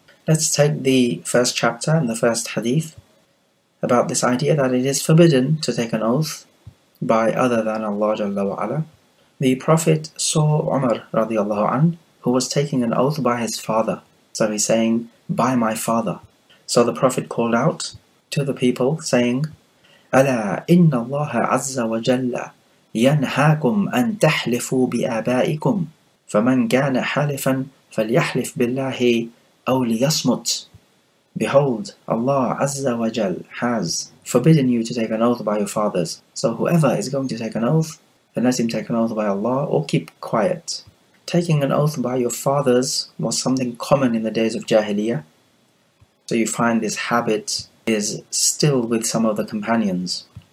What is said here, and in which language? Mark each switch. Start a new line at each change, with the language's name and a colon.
English: Let's take the first chapter and the first hadith about this idea that it is forbidden to take an oath by other than Allah Jalla wa'ala. The Prophet saw Umar radiallahu anh, who was taking an oath by his father. So he's saying, by my father.
Arabic: So the Prophet called out to the people, saying, أَلَا إِنَّ اللَّهَ عَزَّ وَجَلَّ يَنْهَاكُمْ أَن تَحْلِفُوا بِآبَائِكُمْ فَمَنْ كَانَ حَالِفًا فَلْيَحْلِفْ بِاللَّهِ أَوْ لِيَصْمُتْ.
English: Behold, Allah Azza wa Jal has forbidden you to take an oath by your fathers. So whoever is going to take an oath, then let him take an oath by Allah or keep quiet. Taking an oath by your fathers was something common in the days of Jahiliyyah. So you find this habit is still with some of the companions.